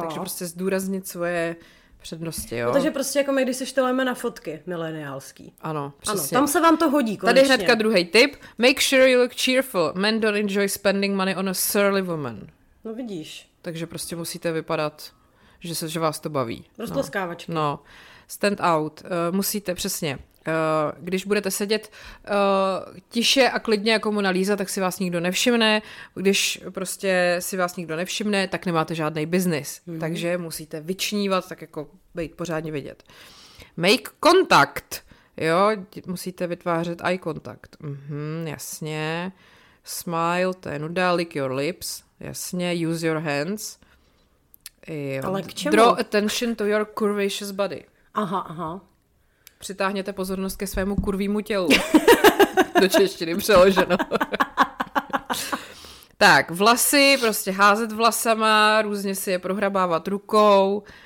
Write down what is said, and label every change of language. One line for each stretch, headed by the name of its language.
Czech: Takže prostě zdůraznit svoje přednosti, jo? No, takže prostě jako my, když se štelujeme na fotky mileniálský. Ano, přesně. Ano, tam se vám to hodí konečně. Tady hnedka druhý tip.
English: Make sure you look cheerful. Men don't enjoy spending money on a surly woman.
Czech: No vidíš. Takže prostě musíte vypadat, že vás to baví. Rozploskávačky. No.
English: Stand out.
Czech: Musíte, přesně. Když budete sedět tiše a klidně jako Mona Lisa, tak si vás nikdo nevšimne. Když prostě si vás nikdo nevšimne, tak nemáte žádný biznis. Mm-hmm. Takže musíte vyčnívat, tak jako být pořádně vidět.
English: Make contact.
Czech: Jo, musíte vytvářet
English: eye contact. Mm-hmm, jasně. Smile,
Czech: to je nuda.
English: Lick your lips. Jasně. Use your hands. Jo.
Czech: Ale k čemu?
English: Draw attention to your curvaceous body.
Czech: Aha, aha. Přitáhněte pozornost ke svému kurvýmu tělu. Do češtiny přeloženo. Tak, vlasy, prostě házet vlasama, různě si je prohrabávat rukou.